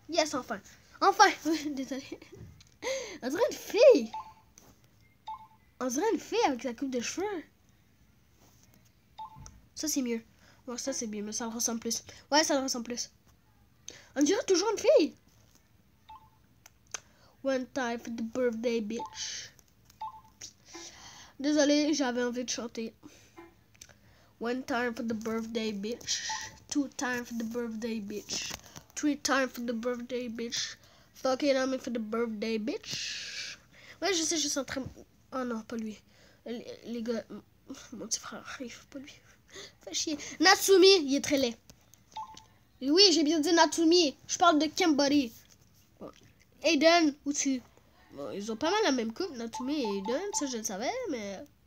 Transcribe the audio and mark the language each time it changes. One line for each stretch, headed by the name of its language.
French: Yes, enfin. Enfin. Désolé. On dirait une fille. On dirait une fille avec sa coupe de cheveux. Ça, c'est mieux. Bon, ça c'est bien, mais ça le ressemble plus. Ouais, ça le ressemble plus. On dirait toujours une fille.
English: One time for the birthday, bitch.
French: Désolé, j'avais envie de chanter.
English: One time for the birthday, bitch. Two time for the birthday, bitch. Three time for the birthday, bitch. Fucking on me for the birthday, bitch.
French: Ouais, je sais, je suis en train. Oh non, pas lui. Les gars, mon petit frère arrive, pas lui. Fais chier. Natsumi, il est très laid. Oui, j'ai bien dit Natsumi. Je parle de Kimberly. Bon. Aiden, où tu? Bon, ils ont pas mal la même coupe, Natsumi et Aiden. Ça, je le savais, mais...